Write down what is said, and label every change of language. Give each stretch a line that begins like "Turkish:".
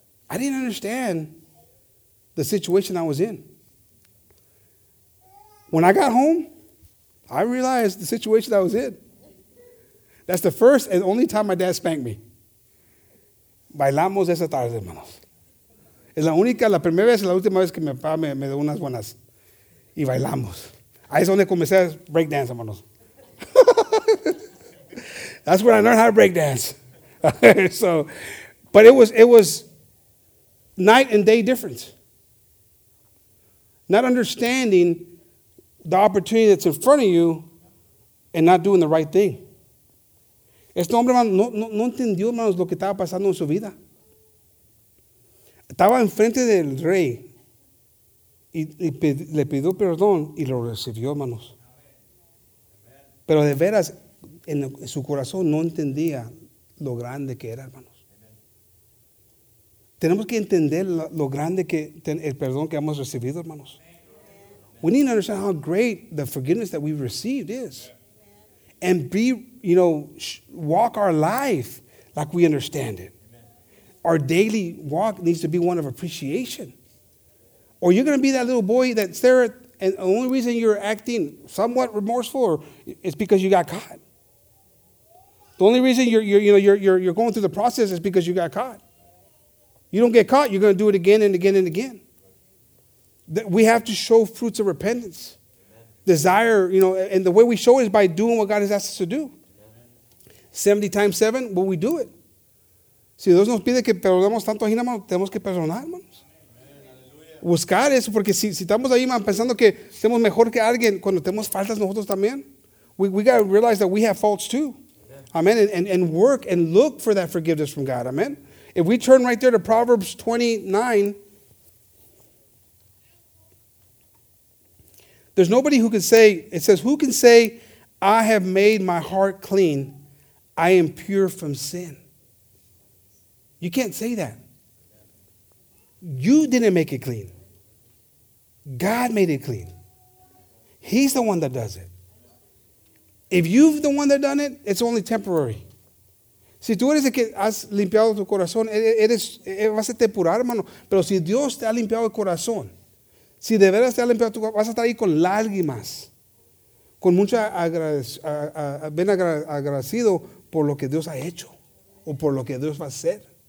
English: I didn't understand the situation I was in. When I got home, I realized the situation I was in. That's the first and only time my dad spanked me.
Spanish: Bailamos esa tarde, hermanos. Es la única, la primera vez y la última vez que mi papá me dio unas buenas. Y bailamos. Ahí es donde comencé a break dance, hermanos.
English: That's where I learned how to break dance. So, but it was night and day difference. Not understanding the opportunity that's in front of you and not doing the right thing.
Spanish: Este hombre, hermano, no entendió, hermanos, lo que estaba pasando en su vida. Estaba enfrente del rey y le pidió perdón y lo recibió, hermanos. Pero de veras, en su corazón no entendía lo grande que era, hermanos. Tenemos que entender lo grande que el perdón que hemos recibido, hermanos.
English: We need to understand how great the forgiveness that we've received is. And be, you know, walk our life like we understand it. Amen. Our daily walk needs to be one of appreciation. Or you're going to be that little boy that's there, and the only reason you're acting somewhat remorseful is because you got caught. The only reason you're going through the process is because you got caught. You don't get caught, you're going to do it again and again and again. That we have to show fruits of repentance. Desire, you know, and the way we show it is by doing what God has asked us to do. 70 times 7, well, we do it.
Spanish: Si Dios nos pide que perdonemos tanto ahí, hermanos, tenemos que perdonar, hermanos. Buscar eso, porque si estamos ahí, man, pensando que somos mejor que alguien, cuando tenemos faltas nosotros también,
English: we got to realize that we have faults too. Amen. And work and look for that forgiveness from God. Amen. If we turn right there to Proverbs 29, there's nobody who can say, it says, who can say, I have made my heart clean, I am pure from sin? You can't say that. You didn't make it clean. God made it clean. He's the one that does it. If you're the one that done it, it's only temporary.
Spanish: Si tú eres el que has limpiado tu corazón, eres, vas a depurar, hermano. Pero si Dios te ha limpiado el corazón, si de veras te ha limpiado tu corazón, vas a estar ahí con lágrimas, con mucho agradecido por lo que Dios ha hecho o por lo que Dios va a hacer.